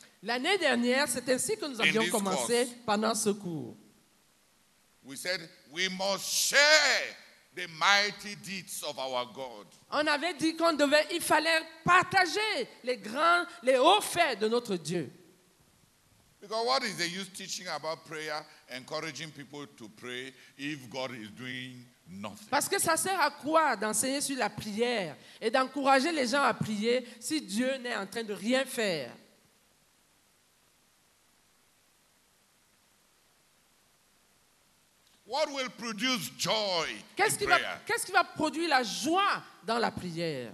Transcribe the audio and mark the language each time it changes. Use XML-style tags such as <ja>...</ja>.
<fr>L'année dernière, c'est ainsi que nous avions commencé pendant ce cours.</fr> <en>We said we must share the mighty deeds of our God.</en> <fr>On avait dit qu'on devait, il fallait partager les grands, les hauts faits de notre Dieu.</fr> <en>Because what is the use teaching about prayer, encouraging people to pray if God is doing nothing?</en> <fr>Parce que ça sert à quoi d'enseigner sur la prière et d'encourager les gens à prier si Dieu n'est en train de rien faire?</fr> <en>What will produce joy</en> <fr>qu'est-ce qui va produire la joie dans la prière?</fr>